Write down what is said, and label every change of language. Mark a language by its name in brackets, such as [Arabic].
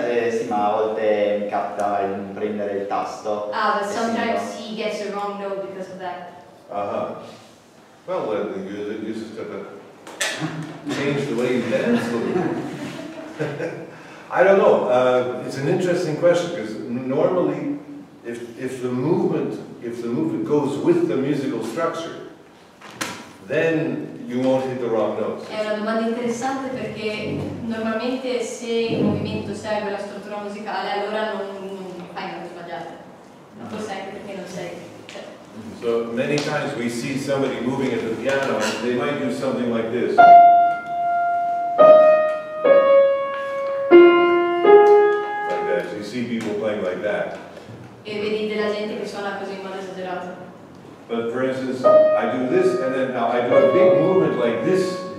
[Italian] Sì, ma a volte mi capita di non prendere il tasto. [English] Ah, but sometimes he gets a wrong note because of that. Uh-huh. Well, then you just gotta change the way you dance. I don't know. It's an interesting question because normally, if the movement goes with the musical structure, then you won't hit the wrong notes. [Italian] È una domanda interessante perché normalmente se il movimento segue la struttura musicale allora non fai note sbagliate. Non lo sai perché non sei. [English] So many times we see somebody moving at the piano and they might do something like this. Like that. You see people playing like that. [Italian] E vedi della gente che suona così in modo esagerato. [English] But for instance, I do this and then now I do a big movement like this.